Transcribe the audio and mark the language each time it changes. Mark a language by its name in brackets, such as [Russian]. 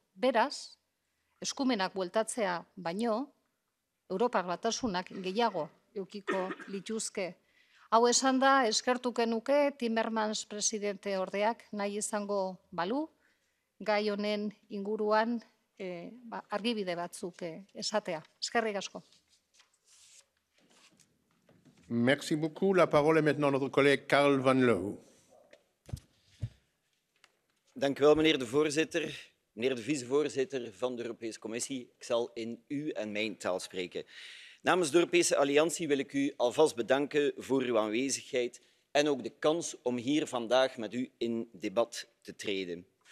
[Basque] Beraz, eskumenak bueltatzea baino, Europar Batasunak gehiago eukiko lituzke. Hau esan da, eskertuko nuke Timmermans presidente ordeak nahi izango balu, gai honen inguruan argibide batzuk esatea. Eskerrik asko. [French] Merci beaucoup. La parole est maintenant notre collègue Karl van Loo. [Dutch] Dank u wel, meneer de voorzitter. Meneer de vicevoorzitter van de Europese Commissie, ik zal in u en mijn taal spreken. Namens de Europese Alliantie wil ik u alvast bedanken voor uw aanwezigheid en ook de kans om hier vandaag met u in debat te treden.